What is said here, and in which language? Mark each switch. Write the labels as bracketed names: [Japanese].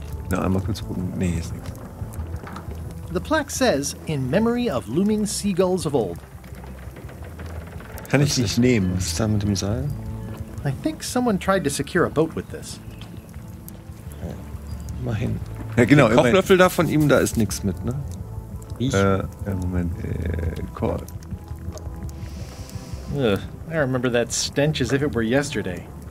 [German] Na, einmal kurz gucken. Nee, ist nichts. [English] The plaque says, in memory of looming seagulls of old. [German] Kann ich nicht nehmen. Was ist da mit dem Seil? [English] I think someone tried to secure a boat with this. [German] Immerhin. Ja, genau. Der Kochlöffel da von ihm, da ist nichts mit, ne? Ich? Moment. Call. [English] I remember that stench as if it were yesterday.